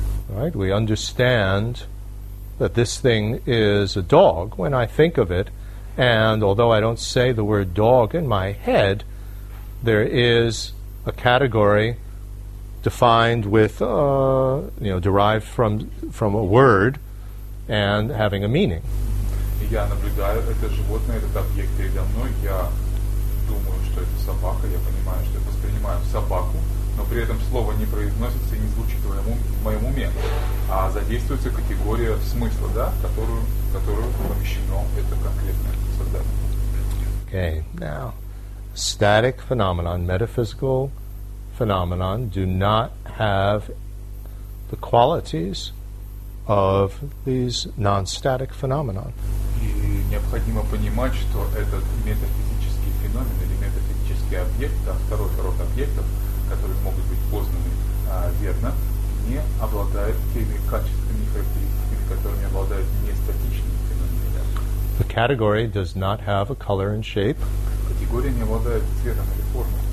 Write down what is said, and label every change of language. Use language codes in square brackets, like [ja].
[en] Right, we understand that this thing is a dog when I think of it, and although I don't say the word dog in my head, there is a category defined with, derived from a word and having a meaning. [ru] Я наблюдаю это животное, этот объект передо мной. Я думаю, что это собака. Я понимаю, что я воспринимаю собаку. Но при этом слово не произносится и не звучит в моем уме, а задействуется категория смысла, да, которую помещено это конкретное создание. [en] Okay, now, static phenomenon, metaphysical phenomenon do not have the qualities of these non-static phenomena. [ru] И необходимо понимать, что этот метафизический феномен или метафизический объект, да, второй род объектов, которые могут быть познаны верно, не обладают теми качествами, характеристиками, которыми обладают нестатичные феномены. [en] The category does not have a color and shape. [ru] Категория не обладает цветом или формой.